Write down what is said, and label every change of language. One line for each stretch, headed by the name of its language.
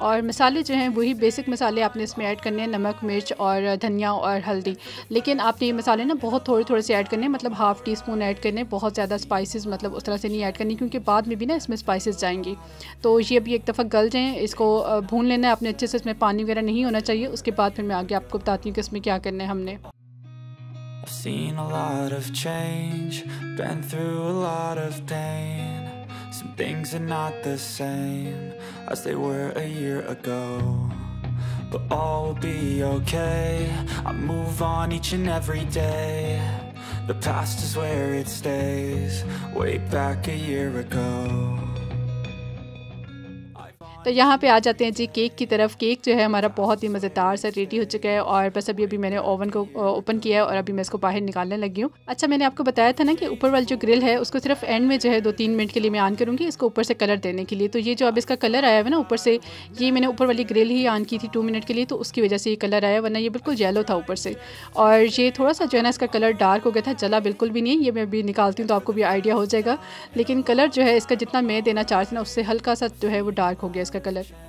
Hindi: और मसाले जो हैं वही बेसिक मसाले आपने इसमें ऐड करने हैं, नमक मिर्च और धनिया और हल्दी, लेकिन आपने ये मसाले ना बहुत थोड़े थोड़े से ऐड करने हैं, मतलब 1/2 teaspoon ऐड करने हैं, बहुत ज़्यादा स्पाइसेस मतलब उस तरह से नहीं ऐड करनी, क्योंकि बाद में भी ना इसमें स्पाइसेस जाएंगी। तो ये अभी एक दफ़ा गल जाएँ, इसको भून लेना है आपने अच्छे से, इसमें पानी वगैरह नहीं होना चाहिए, उसके बाद फिर मैं आगे आपको बताती हूँ कि इसमें क्या करना है हमने।
English: I've seen a lot of change, been through a lot of pain. Some things are not the same as they were a year ago. But all will be okay, I move on each and every day. The past is where it stays, way back a year ago.
Hindi: तो यहाँ पे आ जाते हैं जी cake की तरफ। Cake जो है हमारा बहुत ही मज़ेदार सा रेडी हो चुका है, और बस अभी मैंने ओवन को ओपन किया है और अभी मैं इसको बाहर निकालने लगी हूँ। अच्छा, मैंने आपको बताया था ना कि ऊपर वाला जो ग्रिल है उसको सिर्फ एंड में जो है 2-3 minutes के लिए मैं ऑन करूँगी इसको ऊपर से कलर देने के लिए। तो ये जो अब इसका कलर आया है ना ऊपर से, ये मैंने ऊपर वाली ग्रिल ही ऑन की थी 2 minutes के लिए, तो उसकी वजह से ये कलर आया, वरना ये बिल्कुल येलो था ऊपर से, और ये थोड़ा सा जो है ना इसका कलर डार्क हो गया था, जला बिल्कुल भी नहीं। ये मैं अभी निकालती हूँ तो आपको भी आइडिया हो जाएगा, लेकिन कलर जो है इसका जितना मैं देना चाह रही थी ना उससे हल्का सा जो है वो डार्क हो गया इसका कलर।